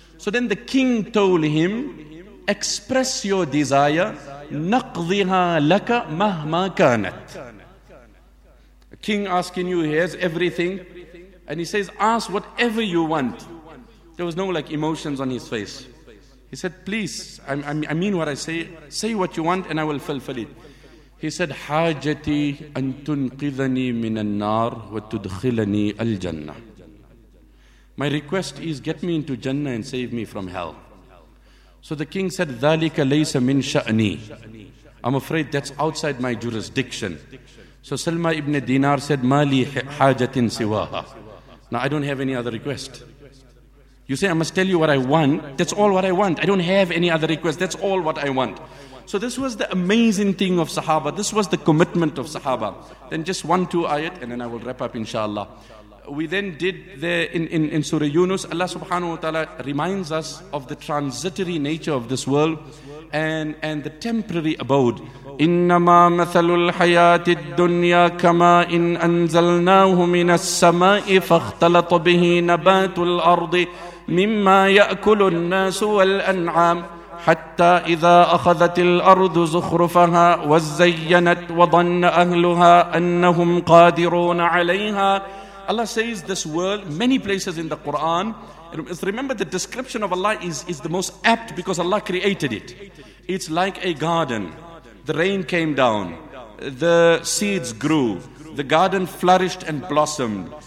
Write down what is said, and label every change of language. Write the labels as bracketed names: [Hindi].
[English] So then the king told him, express your desire, [Arabic] naqdhiha laka mahma kanat. [English] A king asking you, he has everything. And he says, ask whatever you want. There was no like emotions on his face. He said, please, I mean what I say. Say what you want and I will fulfill it. He said, [Arabic] حاجتي أن تنقذني من النار وتدخلني الجنة. [English] My request is, get me into Jannah and save me from hell. So the king said, [Arabic] ذلك ليس من شأني. [English] I'm afraid that's outside my jurisdiction. So Salma ibn Dinar said, [Arabic] ما لي حاجة سواها. [English] Now, I don't have any other request. You say, I must tell you what I want. That's all what I want. I don't have any other request. That's all what I want. So this was the amazing thing of Sahaba. This was the commitment of Sahaba. Then just one, two ayat, and then I will wrap up, inshallah. We then did there in Surah Yunus, Allah subhanahu wa ta'ala reminds us of the transitory nature of this world and the temporary abode. [Arabic] إنما مثل الحياة الدنيا كما إن أنزلناه من السماء فاختلط به نبات الأرض مما يأكل الناس والأنعام حتى إذا أخذت الأرض زخرفها وزينت وظن أهلها أنهم قادرون عليها. [English] Allah says this world many places in the Quran. Remember, the description of Allah is the most apt because Allah created it. It's like a garden. The rain came down, the seeds grew, the garden flourished and blossomed.